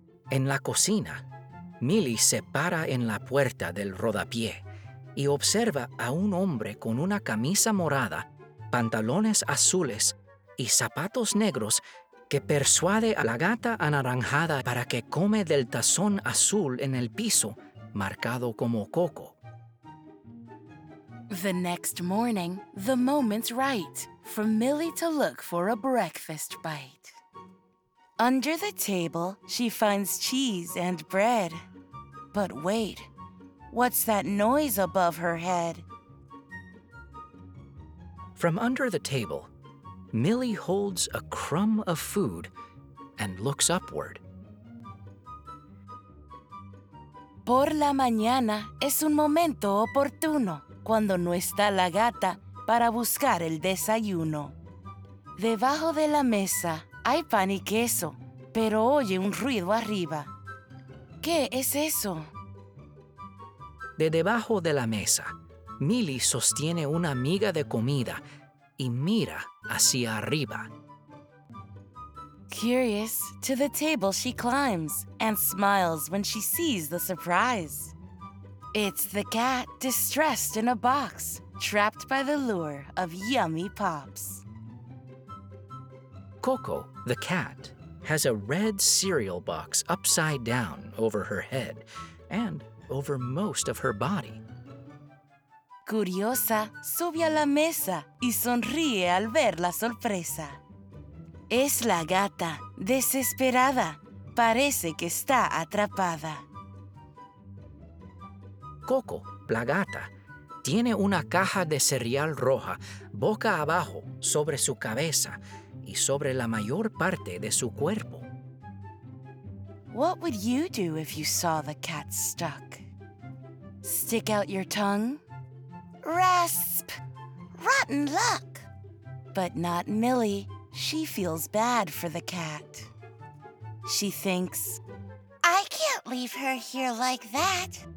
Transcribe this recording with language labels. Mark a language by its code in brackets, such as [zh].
[es] En la cocina, Millie se para en la puerta del rodapié y observa a un hombre con una camisa morada, pantalones azules y zapatos negros que persuade a la gata anaranjada para que come del tazón azul en el piso, marcado como Coco. [en] The next morning, the moment's right for Millie to look for a breakfast bite. Under the table, she finds cheese and bread. But wait, what's that noise above her head? From under the table, Millie holds a crumb of food and looks upward. [es] Por la mañana es un momento oportuno cuando no está la gata para buscar el desayuno. Debajo de la mesa hay pan y queso, pero oye un ruido arriba. ¿Qué es eso? De debajo de la mesa, Millie sostiene una miga de comida y mira hacia arriba. [en] Curious, to the table she climbs and smiles when she sees the surprise. It's the cat, distressed in a box, trapped by the lure of yummy pops. Coco, the cat, has a red cereal box upside down over her head and over most of her body. [es] Curiosa, sube a la mesa y sonríe al ver la sorpresa. Es la gata, desesperada. Parece que está atrapada. Coco, la gata, tiene una caja de cereal roja boca abajo sobre su cabeza y sobre la mayor parte de su cuerpo. [en] What would you do if you saw the cat stuck? Stick out your tongue? Rasp! Rotten luck! But not Millie. She feels bad for the cat. She thinks, I can't leave her here like that.